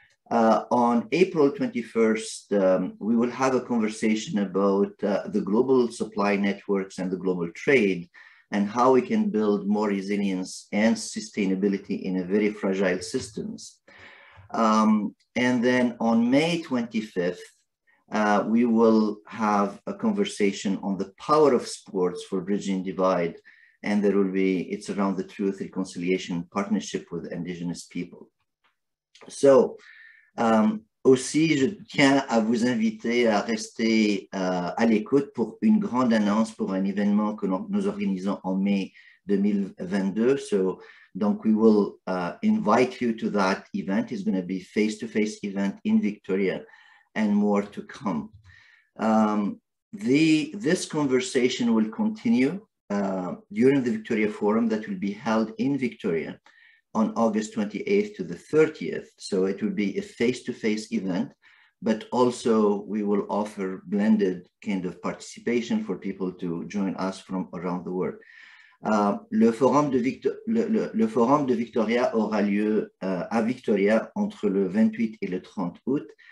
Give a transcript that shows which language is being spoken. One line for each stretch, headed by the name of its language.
English: On April 21st, we will have a conversation about the global supply networks and the global trade and how we can build more resilience and sustainability in a very fragile systems. And then on May 25th, we will have a conversation on the power of sports for bridging divide. And there will be, it's around the truth, reconciliation, partnership with Indigenous people.
French: So, aussi, je tiens à vous inviter à rester à l'écoute pour une grande annonce pour un événement que nous organisons en mai 2022.
English: So, donc, we will invite you to that event. It's going to be a face-to-face event in Victoria and more to come. This conversation will continue during the Victoria Forum that will be held in Victoria on August 28th to the 30th. So it will be a face-to-face event, but also we will offer blended kind of participation for people to join us from around the world.
French: Le Forum de Victoria aura lieu à Victoria entre le 28 et le 30 août.